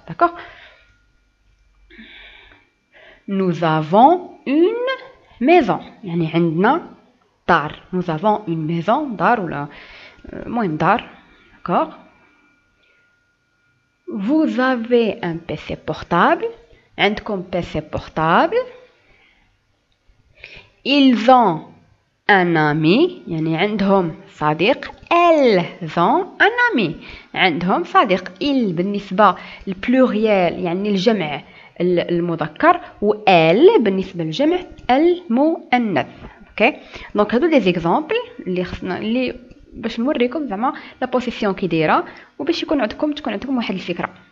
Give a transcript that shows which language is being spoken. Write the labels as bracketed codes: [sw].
[fr] داكوغ، نو افون اون maison، [ar] يعني عندنا دار، [fr] nous avons une maison، [ar] دار ولا المهم دار. [fr] d'accord، Vous avez un PC portable? [ar] عندكم PC portable? [fr] Ils ont un ami, [ar] يعني عندهم صديق. [fr] Elles ont un ami, [ar] عندهم صديق. Il بالنسبة للبلوريال يعني الجمع المذكر و elle بالنسبة للجمع المؤنث. Okay. Donc هذو [fr] des exemples [ar] اللي خصنا اللي باش نوريكم زعما لا بوزيسيون كي دايره وباش يكون عندكم تكون عندكم واحد الفكره.